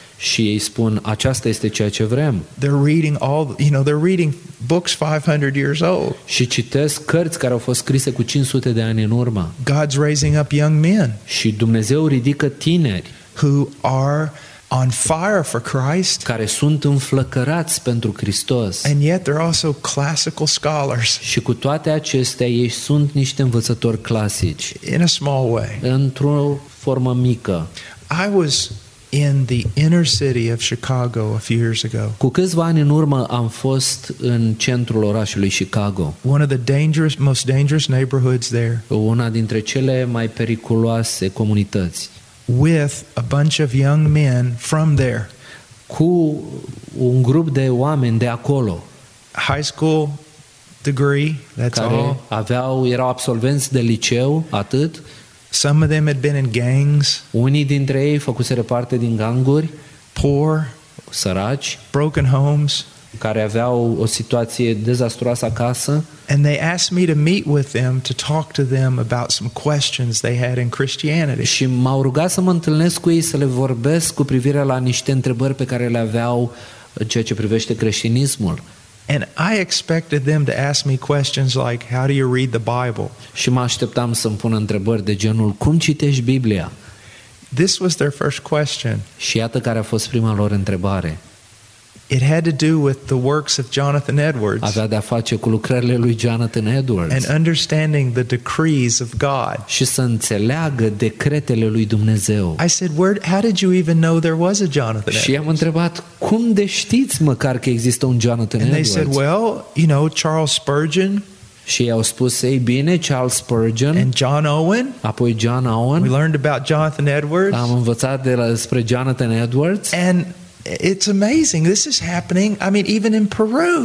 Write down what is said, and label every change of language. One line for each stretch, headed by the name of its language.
Romanian: Și ei spun, aceasta este ceea ce vrem.
English: They're reading all, you know, they're reading books 500 years old.
Romanian: Și citesc cărți care au fost scrise cu 500 de ani în urmă.
English: God's raising up young men.
Romanian: Și Dumnezeu ridică tineri
English: who are on fire for Christ.
Romanian: Care sunt înflăcărați pentru Hristos.
English: And yet they're also classical scholars.
Romanian: Și cu toate acestea ei sunt niște învățători clasici.
English: In a small way.
Romanian: Într-o formă mică.
English: I was in the inner city of Chicago a few years ago.
Romanian: Cu câțiva ani în urmă am fost în centrul orașului Chicago.
English: One of the dangerous, most dangerous neighborhoods there.
Romanian: Una dintre cele mai periculoase comunități.
English: With a bunch of young men from there.
Romanian: Cu un grup de oameni de acolo.
English: High school degree, that's
Romanian: care
English: all.
Romanian: Erau absolvenți de liceu, atât.
English: Some of them had been in gangs.
Romanian: Unii dintre ei făcuseră parte din ganguri.
English: Poor,
Romanian: săraci.
English: Broken homes,
Romanian: care aveau o situație dezastruoasă acasă.
English: And they asked me to meet with them to talk to them about some questions they had in Christianity.
Romanian: Și m-au rugat să mă întâlnesc cu ei, să le vorbesc cu privire la niște întrebări pe care le aveau în ceea ce privește creștinismul.
English: And I expected them to ask me questions like, how do you read the Bible?
Romanian: Și mă așteptam să-mi pun întrebări de genul, cum citești Biblia?
English: This was their first question.
Romanian: Și iată care a fost prima lor întrebare.
English: It had to do with the works of Jonathan Edwards.
Romanian: Avea de-a face cu lucrările lui Jonathan Edwards.
English: And understanding the decrees of God.
Romanian: Și să înțeleagă decretele lui Dumnezeu.
English: I said, how did you even know there was a Jonathan Edwards?
Romanian: Și am întrebat, cum de știți măcar că există un Jonathan Edwards?
English: And they said, well, you know, Charles Spurgeon.
Romanian: Și au spus, ei bine, Charles Spurgeon.
English: And John Owen.
Romanian: Apoi John Owen.
English: We learned about Jonathan Edwards.
Romanian: Am învățat despre Jonathan Edwards.
English: And it's amazing. This is happening. I mean, even in Peru.